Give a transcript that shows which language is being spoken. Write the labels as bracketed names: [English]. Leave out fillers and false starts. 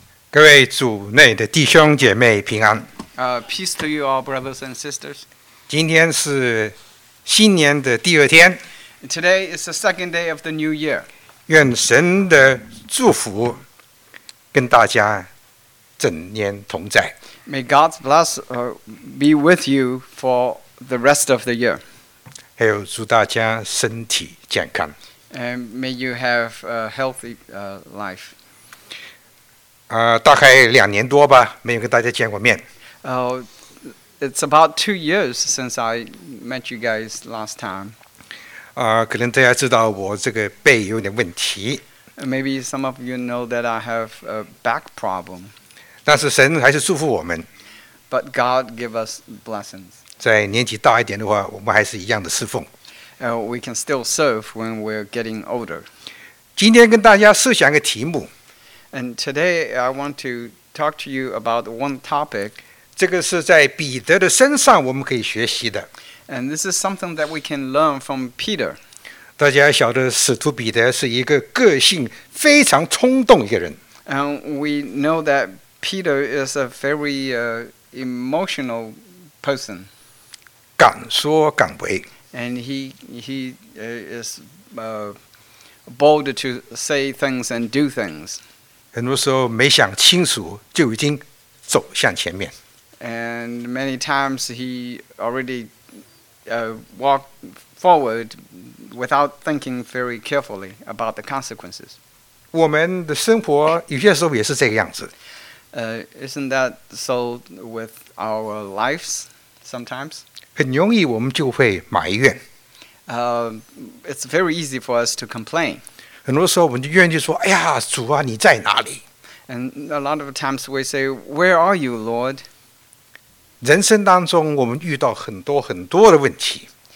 [Chinese] 各位主内的弟兄姐妹平安。 [English] Peace to you all, brothers and sisters. [Chinese] 今天是新年的第二天。 [English] Today is the second day of the new year. [Chinese] 愿神的祝福跟大家整年同在。 [English] May God's blessing be with you for the rest of the year. [Chinese] 还有祝大家身体健康。 [English] And may you have a healthy life. [Chinese] 大概两年多吧，没有跟大家见过面。 [English] It's about 2 years since I met you guys last time. [Chinese] 可能大家知道我这个背有点问题。 [English] Maybe some of you know that I have a back problem. [Chinese] 但是神还是祝福我们。 [English] But God give us blessings. [Chinese] 在年纪大一点的话，我们还是一样的侍奉。 [English] We can still serve when we're getting older. [Chinese] 今天跟大家思想一个题目。 [English] And today I want to talk to you about one topic. [Chinese] 这个是在彼得的身上我们可以学习的。 [English] And this is something that we can learn from Peter. [Chinese] 大家晓得使徒彼得是一个个性非常冲动一个人。 [English] And we know that Peter is a very emotional person. [Chinese] 敢说敢为。 [English] And he is bold to say things and do things. [Chinese] 很多时候没想清楚就已经走向前面。 [English] And many times he already walked forward without thinking very carefully about the consequences. [Chinese] 我们的生活有些时候也是这个样子。 [English] Isn't that so with our lives sometimes? [Chinese] 很容易我们就会埋怨。 [English] It's very easy for us to complain. [Chinese] 很多时候我们就愿意说，哎呀，主啊，你在哪里？ [English] And a lot of times we say, where are you, Lord? [Chinese] 人生当中我们遇到很多很多的问题。